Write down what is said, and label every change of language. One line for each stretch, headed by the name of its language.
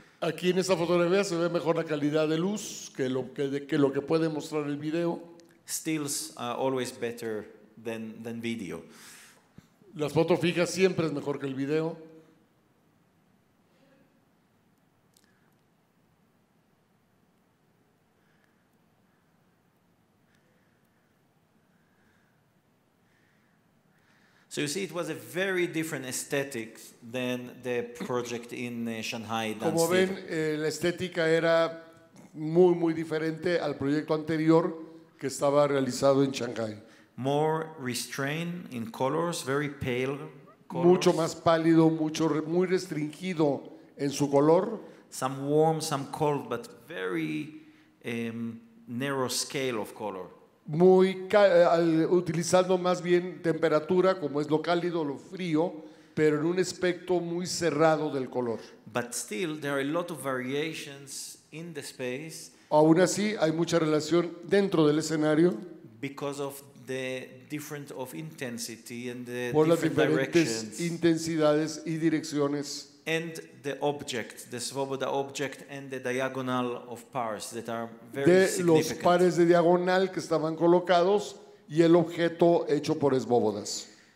Spanish: Aquí en esta fotografía se ve mejor la calidad de luz que lo que puede mostrar el video.
English: Stills are always better than video.
Spanish: Las fotos fijas siempre es mejor que el video.
English: So you see, it was a very different aesthetic than the project in Shanghai.
Spanish: Como ven, la estética era muy muy diferente al proyecto anterior que estaba realizado en Shanghai.
English: More restrained in colors, very pale colors.
Spanish: Mucho más pálido, mucho muy restringido en su color.
English: Some warm, some cold, but very narrow scale of color.
Spanish: Muy utilizando más bien temperatura, como es lo cálido, lo frío, pero en un espectro muy cerrado del color.
English: But still, there are a lot of variations in the space.
Spanish: Aún así, hay mucha relación dentro del escenario.
English: Because of the difference of intensity and the
Spanish: por las diferentes intensidades y direcciones.
English: And the object, the svoboda object, and the diagonal of pars that are very
Spanish: de
English: significant.
Spanish: De los pares de diagonal que estaban colocados y el objeto hecho por svobodas.